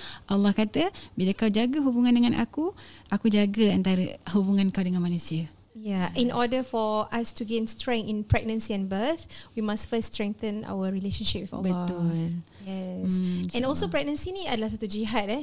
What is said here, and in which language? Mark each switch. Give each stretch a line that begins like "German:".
Malay: Allah kata, bila kau jaga hubungan dengan aku, aku jaga antara hubungan kau dengan manusia.
English: Yeah, in order for us to gain strength in pregnancy and birth, we must first strengthen our relationship with Allah.
Malay: Betul.
English: Yes. And also
Malay: pregnancy ni adalah satu jihad.